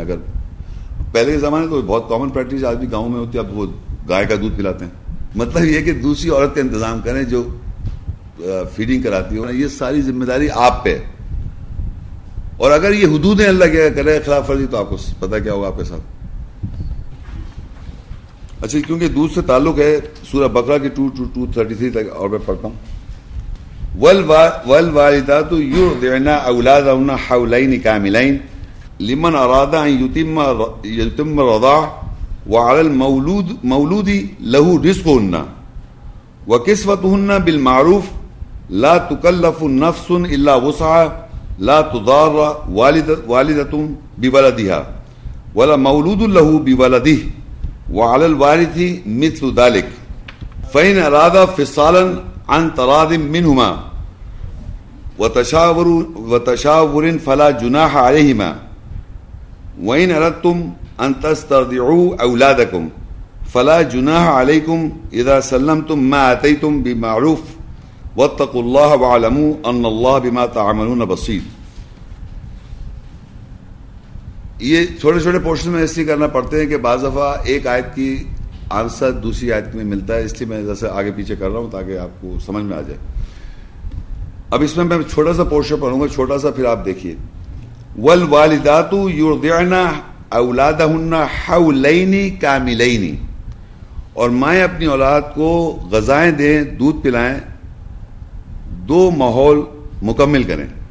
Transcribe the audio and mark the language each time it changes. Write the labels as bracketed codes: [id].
[ur] اگر پہلے کے زمانے تو بہت کامن پریکٹس آج بھی گاؤں میں ہوتی ہے, اب وہ گائے کا دودھ پلاتے ہیں, مطلب یہ کہ دوسری عورت کا انتظام کریں جو فیڈنگ کراتی ہے, یہ ساری ذمہ داری آپ پہ. اور اگر یہ حدود ہیں اللہ کے کرے خلاف ورزی تو آپ کو پتہ کیا ہوگا آپ کے ساتھ. اچھا, کیونکہ دودھ سے تعلق ہے, سورہ بقرہ کی 233 تک اور میں پڑھتا ہوں. [ar] ول والدات یرضعن اولادهن حولین کاملین لمن اراد ان یتم الرضاع وعلی المولود مولودی له رزقهن وکسوتهن بالمعروف لا تکلف نفس الا وسعها لا تضار والدۃ بولدها ولا مولود له بولده وعلى الوارث مثل ذلك فإن أراد فصالا عن تراض منهما وتشاور فلا جناح عليهما وإن أردتم أن تسترضعوا أولادكم فلا جناح عليكم إذا سلمتم ما آتيتم بمعروف واتقوا الله واعلموا أن الله بما تعملون بصير. [ur] یہ چھوٹے چھوٹے پورشن میں اس لیے کرنا پڑتے ہیں کہ بعض دفعہ ایک آیت کی آنسر دوسری آیت میں ملتا ہے, اس لیے میں جیسے آگے پیچھے کر رہا ہوں تاکہ آپ کو سمجھ میں آ جائے. اب اس میں چھوٹا سا پورشن پڑھوں گا, چھوٹا سا, پھر آپ دیکھیے. [ar] ول والدات یرضعن اولادهن حولین کاملین, [ur] اور مائیں اپنی اولاد کو غذائیں دیں دودھ پلائیں دو ماحول مکمل کریں.